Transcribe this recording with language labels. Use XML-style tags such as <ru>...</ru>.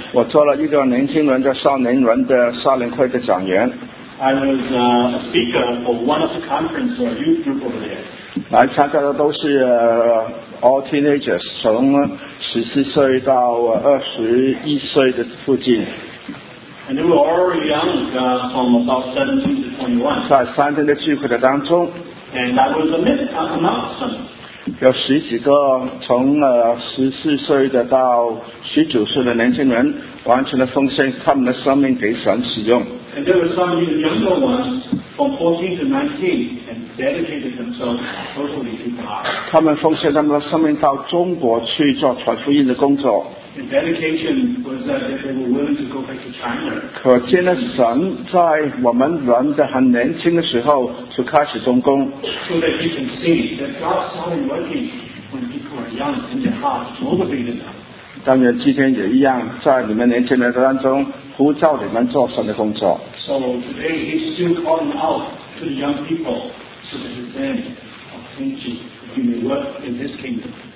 <zh>我做了一个年轻人的少年人的少年会的讲员。</zh> <en>I was a speaker for one of the conference or youth group over there.</en> <zh>来参加的都是、</zh> <en>all teenagers，</en> <zh>从十四岁到二十一岁的附近。</zh> <en>And they were all young, from about 17 to 21.</en> <zh>在三天的聚会的当中。</zh> <en>And I was a mid among them.</en> <zh>有十几个从十四岁的到十九岁的年轻人，完全的奉献他们的生命给神使用。</zh> <en>And there were some younger ones. From 14 to 19, and dedicated themselves totally to God.</en> <zh>他们奉献他们的生命到中国去做传福音的工作。</zh> <en>And dedication was that they were willing to go back to China.</en> <zh>可见呢，神在我们人的很年轻的时候就开始动工。</zh> <en>So that you can see that God started working when people are young and their hearts motivated them.</en> <zh>当然今天也一样，在你们年轻人的当中呼召你们做神的工作。</zh> <en>So today he's still calling out to the young people so that he can obtain you that you may work in his kingdom.</en>